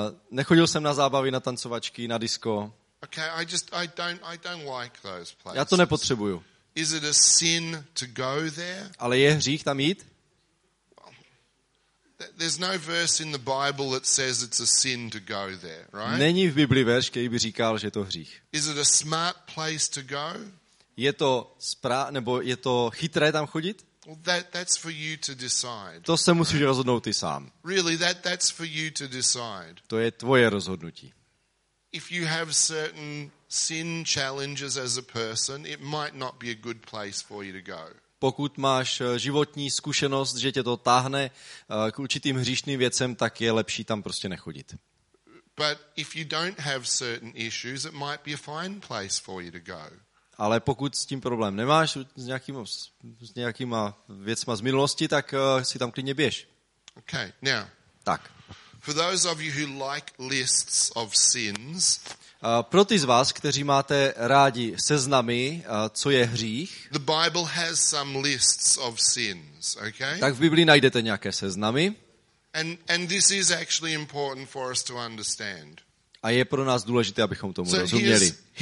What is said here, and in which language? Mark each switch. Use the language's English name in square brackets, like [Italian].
[Czech] Nechodil jsem na zábavy, na tancovačky, na disco. [English] Okay, I don't like those places. [Czech] Já to nepotřebuju. [English] Is it a sin to go there? [Czech] Ale je hřích tam jít? [English] There's no verse in the Bible that says it's a sin to go there, right? [Czech] Není v Bibli verš, který by říkal, že je to hřích. [English] Is it a smart place to go? [Czech] Je to nebo je to chytré tam chodit? [English] Well, that's for you to decide. [Czech] To se musíš rozhodnout ty sám. [English] Really, that's for you to decide. [Czech] To je tvoje rozhodnutí. [English] If you have certain sin challenges as a person, it might not be a good place for you to go. [Czech] Pokud máš životní zkušenost, že tě to táhne k určitým hříšným věcem, tak je lepší tam prostě nechodit. [English] But if you don't have certain issues, it might be a fine place for you to go. [Czech] Ale pokud s tím problém nemáš s nějakýma věcma z minulosti, tak si tam klidně běž. [English] Okay, now. [Czech] Tak. [English] For those of you who like lists of sins, [Czech] pro ty z vás, kteří máte rádi seznamy, co je hřích, [English] the Bible has some lists of sins, okay? [Czech] Tak v Biblii najdete nějaké seznamy. [English] And this is actually important for us to understand. [Czech] A je pro nás důležité, abychom tomu rozuměli.